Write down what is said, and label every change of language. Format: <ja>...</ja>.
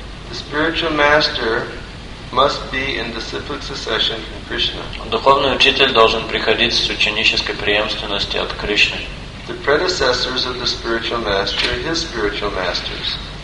<en>The spiritual master must be in disciplic succession from Krishna.</en> <ru>Духовный учитель должен приходить с ученической преемственности от Кришны.</ru> <en>The predecessors of the spiritual master, his spiritual masters.</en>